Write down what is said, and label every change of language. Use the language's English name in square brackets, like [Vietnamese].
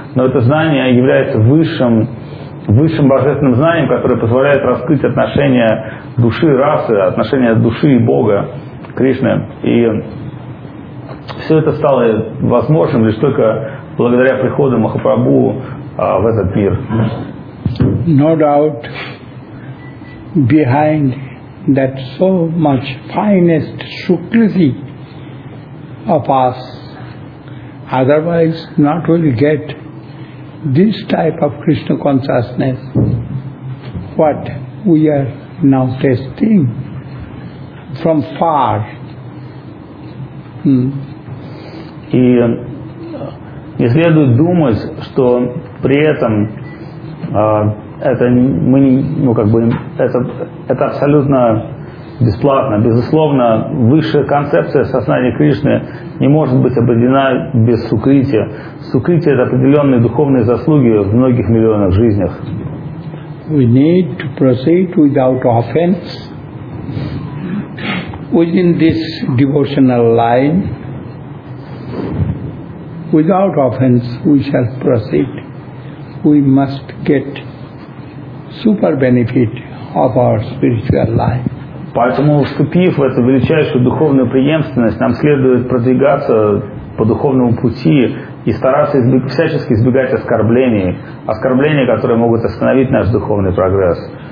[Russian] Но это знание является высшим божественным знанием, которое позволяет раскрыть отношения души и расы, отношения души и Бога, Кришны. И все это стало возможным лишь только благодаря приходу Махапрабху в этот мир. [English] No doubt behind that so much finest sukriti of us, otherwise not will get this type of Krishna consciousness, what we are now testing from far. [Russian] И не следует думать, что при этом это мы не, ну как бы это абсолютно бесплатно. Безусловно, высшая концепция сознания Кришны не может быть обойдена без сукрити. Сукрити — это определенные духовные заслуги в многих миллионах жизнях. [English] We need to proceed without offense within this devotional line. Without offense we shall proceed. We must get super benefit of our spiritual life. [Russian] Поэтому, вступив в эту величайшую духовную преемственность, нам следует продвигаться по духовному пути и стараться всячески избегать оскорблений, оскорблений, которые могут остановить наш духовный прогресс.